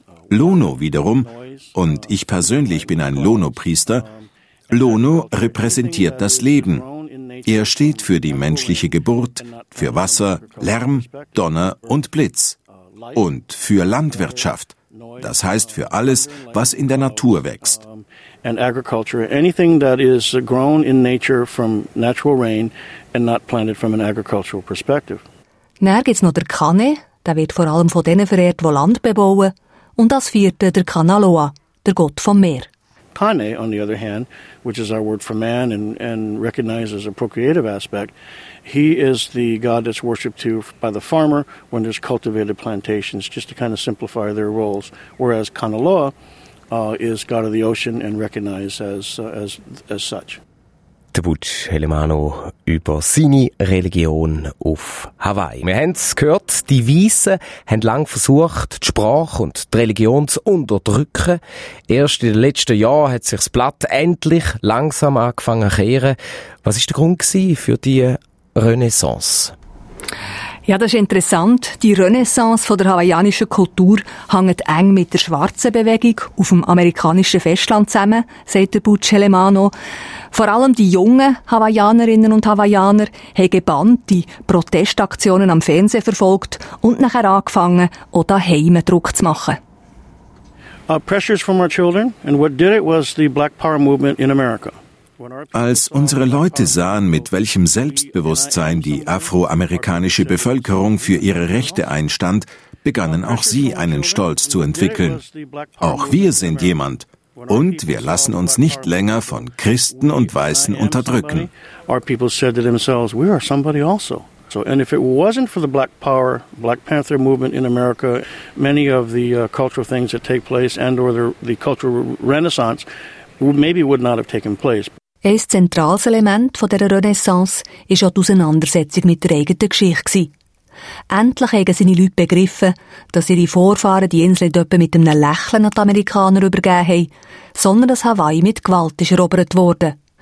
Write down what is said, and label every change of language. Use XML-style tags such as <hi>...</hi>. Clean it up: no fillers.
<de>Lono wiederum, und ich persönlich bin ein Lono-Priester, Lono repräsentiert das Leben. Er steht für die menschliche Geburt, für Wasser, Lärm, Donner und Blitz. Und für Landwirtschaft, das heißt für alles, was in der Natur wächst.</de> <en>And agriculture, anything that is grown in nature from natural rain and not planted from an agricultural perspective.</en> <de>Dann gibt es noch der Kane, der wird vor allem von denen verehrt, die Land bebauen. Und als vierte der Kanaloa, der Gott vom Meer.</de> <en>Kane, on the other hand, which is our word for man and recognizes a procreative aspect, he is the god that's worshipped too by the farmer when there's cultivated plantations, just to kind of simplify their roles. Whereas Kanaloa is God of the Ocean and recognized as such.</en> <de>Der Butch Helemano über seine Religion auf Hawaii. Wir haben es gehört, die Weissen haben lange versucht, die Sprache und die Religion zu unterdrücken. Erst in den letzten Jahren hat sich das Blatt endlich langsam angefangen zu kehren. Was war der Grund für die Renaissance? Ja, das ist interessant. Die Renaissance von der hawaiianischen Kultur hängt eng mit der schwarzen Bewegung auf dem amerikanischen Festland zusammen, sagt der Butch Helemano. Vor allem die jungen Hawaiianerinnen und Hawaiianer haben gebannt die Protestaktionen am Fernsehen verfolgt und nachher angefangen, auch daheim Druck zu machen.</de> <en>Pressures from our children, and what did it was the Black Power Movement in America.</en> <de>Als unsere Leute sahen, mit welchem Selbstbewusstsein die afroamerikanische Bevölkerung für ihre Rechte einstand, begannen auch sie einen Stolz zu entwickeln. Auch wir sind jemand. Und wir lassen uns nicht länger von Christen und Weißen unterdrücken.</de> <en>So, and if it wasn't for the Black Power, Black Panther movement in America, many of the cultural things that take place and or the cultural renaissance maybe would not have taken place.</en> <de>Ein zentrales Element der Renaissance war auch die Auseinandersetzung mit der eigenen Geschichte. Endlich haben seine Leute begriffen, dass ihre Vorfahren die Insel nicht mit einem Lächeln an die Amerikaner übergeben haben, sondern dass Hawaii mit Gewalt ist erobert wurde.</de>